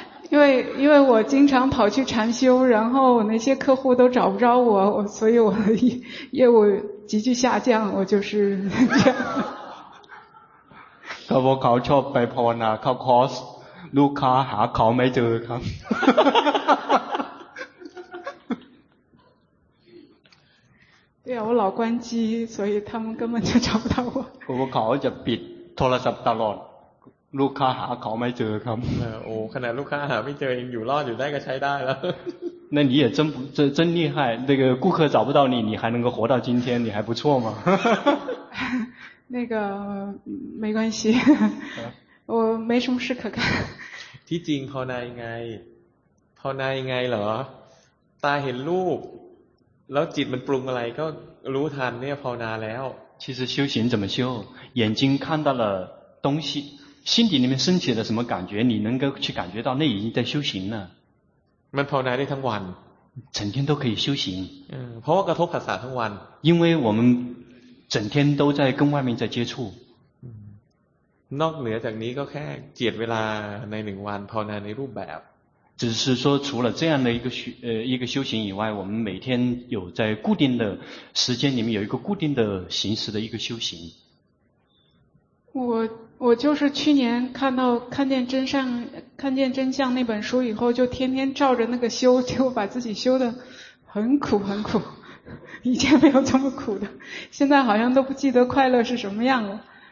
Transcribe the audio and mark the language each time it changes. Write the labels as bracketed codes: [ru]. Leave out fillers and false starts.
[zh] 因为我经常跑去禅修然后那些客户都找不着我所以我的业务急剧下降我就是这样 [th] เขาชอบไปภาวนาเข้าคอร์สลูกค้าหาเขาไม่เจอครับ [zh] เนี่ย我老关机所以他们根本就找不到我 [th] เขาจะปิดโทรศัพท์ตลอดลูกค้าหาเขาไม่เจอครับ โอ้ขนาดลูกค้าหาไม่เจอยังอยู่รอดอยู่ได้ก็ใช้ได้แล้ว [zh] 那你也真厉害那个顾客找不到你你还能够活到今天你还不错吗那个没关系我没什么事可干 [th] ที่จริงภาวนายังไงภาวนายังไงเหรอตาเห็นรูปแล้วจิตมันปรุงอะไรก็รู้ทันเนี่ยภาวนาแล้ว [zh] 其实修行怎么修眼睛看到了东西心底里面升起了什么感觉你能够去感觉到那已经在修行了 [th] มันภาวนาได้ทั้งวัน [zh] 整天都可以修行 [th] เพราะว่ากระทบผัสสะทั้งวัน [zh] 因为我们整天都在跟外面在接触 [th] นอกเหนือจากนี้ก็แค่เจียดเวลาในหนึ่งวันภาวนาในรูปแบบ [zh] 只是说除了这样的一个修行以外我们每天有在固定的时间里面有一个固定的形式的一个修行我就是去年看见真相那本书以后就天天照着那个修就把自己修得很苦很苦以前没有这么苦的现在好像都不记得快乐是什么样了